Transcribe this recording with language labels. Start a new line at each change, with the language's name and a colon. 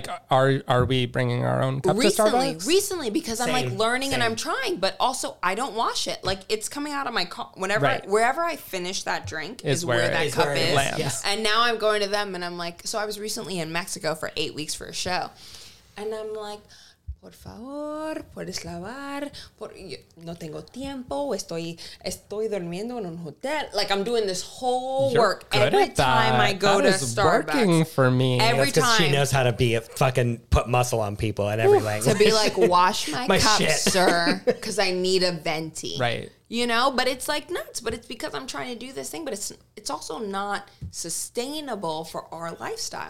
English: Are we bringing our own cup to Starbucks? Recently, because I'm like learning and I'm trying, but also I don't wash it. Like, it's coming out of my wherever I finish that drink is where that cup lands. Yes. And now I'm going to them, and I'm like, so I was recently in Mexico for 8 weeks for a show.
Spanish: And I'm like, por favor, puedes lavar, no tengo tiempo, estoy durmiendo en un hotel.
English: Like, I'm doing this whole work every time I go to Starbucks. That is working for me. Every time. Because she knows how to be a fucking put muscle on people in every language. To be like, wash my cup, sir, because I need a venti. Right. You know, but it's like nuts, but it's because I'm trying to do this thing, but it's also not sustainable for our lifestyle.